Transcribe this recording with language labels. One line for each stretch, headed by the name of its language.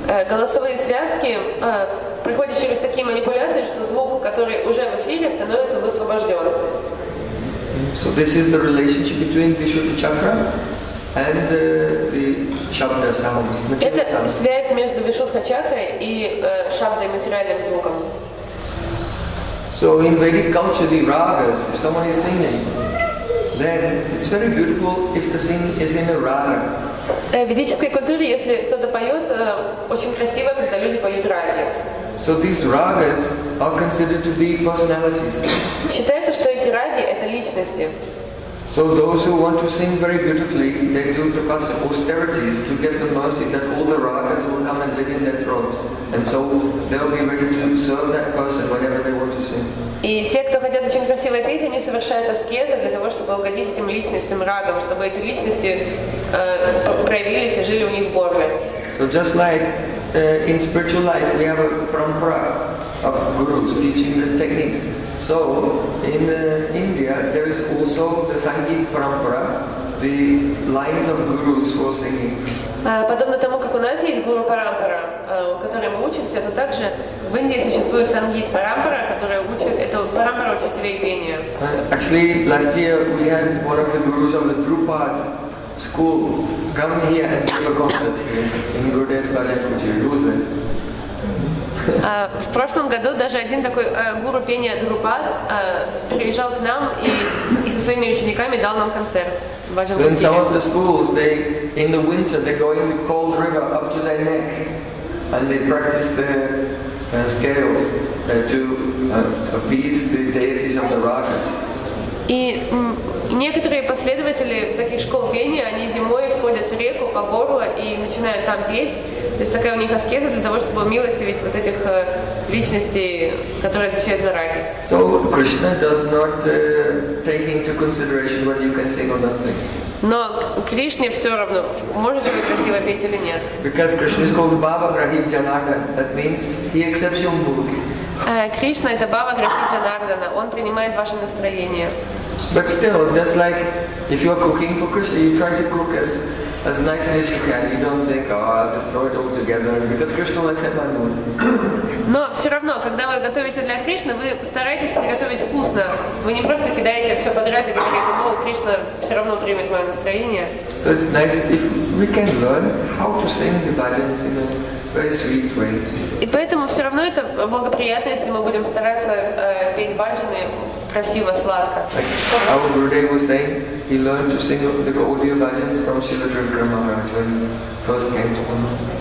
Russian: Голосовые связки приходят через такие манипуляции, что звук, который уже в эфире, становится высвобожден.
English: So this is the relationship between Vishuddha chakra and the shabda sound.
Russian: Это связь между Вишудха чакрой и шабдой, материальным звуком.
English: So in Vedic culture, the ragas, if someone is singing, then it's very beautiful if the singing is in a raga.
Russian: В ведической культуре, если кто-то поет, очень красиво, когда люди поют раги.
English: So these ragas are considered to be personalities.
Russian: Считается, что эти раги — это личности.
English: So those who want to sing very beautifully, they do the austerities to get the mercy that all the ragas will come and live in their throat. And so they'll be ready to serve that person whenever they want to sing.
Russian: И те, кто хотят очень красиво петь, они совершают аскезы для того, чтобы угодить этим личностям, рагам, чтобы эти личности проявились и жили у них в горле.
English: So just like in spiritual life we have a parampara of gurus teaching the techniques. So in India there is also the Sangeet parampara, the lines of gurus for singing.
Russian: Подобно тому, как у нас есть гуру парампара, которой мы учимся, то также в Индии существует Сангит парампара, которая учит эту парампару учителей пения.
English: Actually, last year we had one of the gurus of the Drupad school come here and give a concert here in Gurudev's Ballet Kutir. Who was there?
Russian: В прошлом году даже один такой гуру пения Друпад приезжал к нам и со своими учениками дал нам концерт.
English: So in some of the schools, they in the winter they go in the cold river up to their neck and they practice the scales to appease the deities of the rajas.
Russian: И некоторые последователи таких школ пения, они зимой входят в реку по горло и начинают там петь. То есть такая у них аскеза для того, чтобы умилостивить вот этих личностей, которые отвечают за раги.
English: So Krishna does not take into consideration whether you can sing or not sing.
Russian: Но Кришне все равно, можете вы красиво петь или нет.
English: Because Krishna is called Baba Grahityanarda, that means he accepts your mood.
Russian: Кришна это Баба Грахитянардана, он принимает ваше настроение.
English: But still, just like if you are cooking for Krishna, you try to cook as nicely as you can. You don't think, oh, I'll just throw it all together, because Krishna will accept my mood.
Russian: Но все равно, когда вы готовите для Кришны, вы стараетесь приготовить вкусно. Вы не просто кидаете все подряд и говорите, ну, Кришна все равно примет мое настроение.
English: So it's nice if we can learn how to sing the bhajans in a very sweet way.
Russian: И поэтому все равно это благоприятно, если мы будем стараться петь бхаджаны красиво, сладко.
English: Like our Gurudev was saying, he learned to sing the Gaudiya bhajans from Srila Dravida Maharaj when he first came to Kundal.